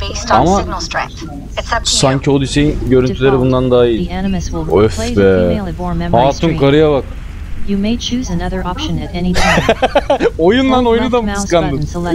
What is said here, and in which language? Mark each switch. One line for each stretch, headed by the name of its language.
Turkish: Ama sanki Odyssey'in görüntüleri bundan daha iyi. Öf be. Hatun karıya bak.
English: You may choose another option at any time.
Turkish: Oyun lan, oyunu da mı kıskandın?